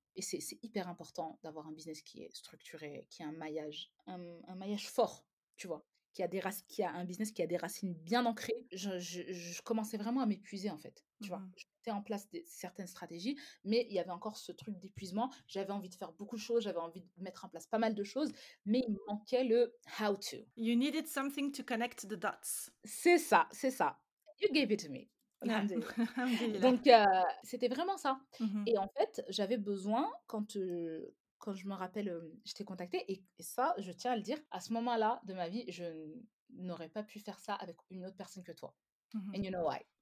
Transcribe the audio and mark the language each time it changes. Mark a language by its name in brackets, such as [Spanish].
[French] Et c'est hyper important d'avoir un business qui est structuré, qui a un maillage fort, tu vois. Qui a un business qui a des racines bien ancrées. Je commençais vraiment à m'épuiser, en fait. Tu vois, je mettais en place certaines stratégies, mais il y avait encore ce truc d'épuisement. J'avais envie de faire beaucoup de choses, j'avais envie de mettre en place pas mal de choses, mais il manquait le how-to. [English] You needed something to connect the dots. [French] C'est ça. [English] You gave it to me. [French] Donc, c'était vraiment ça. Mm-hmm. Et en fait, j'avais besoin, quand je me rappelle, je t'ai contactée, et ça, je tiens à le dire, à ce moment-là de ma vie, je n'aurais pas pu faire ça avec une autre personne que toi. [English] And you know why.